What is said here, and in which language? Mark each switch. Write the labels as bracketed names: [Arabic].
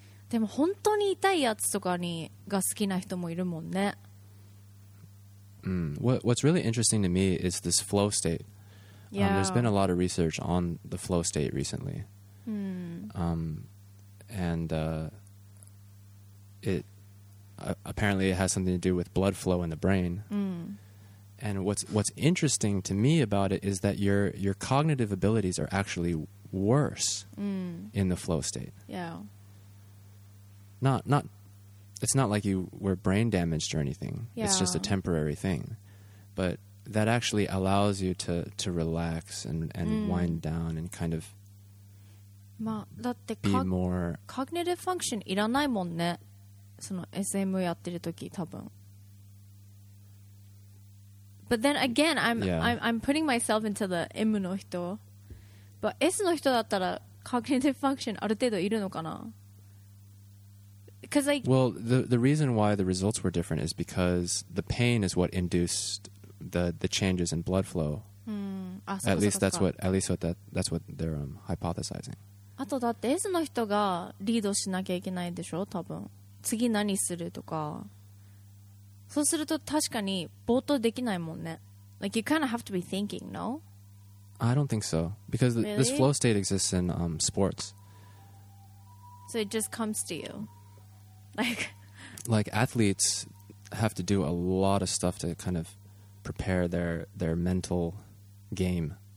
[Japanese] でも本当に痛いやつとかにが好きな人もいるもんね。 [English] What's really interesting to me is this flow state. Yeah. There's been a lot of research on the flow state recently. It apparently it has something to do with blood flow in the brain. And what's interesting to me about it is that your cognitive abilities are actually worse in the flow state. Yeah. Not it's not like you were brain damaged or anything. Yeah. It's just a temporary thing. But that actually allows you to relax and wind down and kind of [Japanese] まあ、だって [English] be more [Japanese] cognitive function いらないもんね。その SM やってるとき多分。 [English] But then again, I'm putting myself into the M の人. [Japanese] But S の人だったら cognitive function ある程度いるのかな? [English] Because like... Well, the reason why the results were different is because the pain is what induced the changes in blood flow. At least that's what they're hypothesizing. [Japanese] あとだって S の人がリードしなきゃいけないでしょ?多分。次何するとか。そうすると確かに冒頭できないもんね。 [English] Like you kind of have to be thinking, no? I don't think so. Because really? This flow state exists in sports. So it just comes to you. Like like athletes have to do a lot of stuff to kind of prepare their mental game.